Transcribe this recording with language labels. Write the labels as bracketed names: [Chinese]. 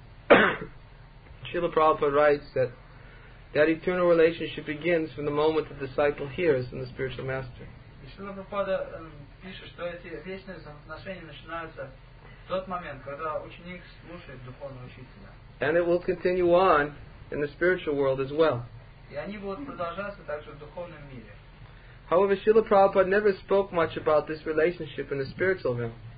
[English] Srila Prabhupada writes that that eternal relationship begins from the moment the disciple hears from the spiritual master. [Russian] Srila Prabhupada пишет, что эти вечные отношения начинаются в тот момент, когда ученик слушает духовного учителя. [English] And it will continue on in the spiritual world as well. [Russian] И они будут продолжаться также в духовном мире. [English] However, Srila Prabhupada never spoke much about this relationship in the spiritual realm.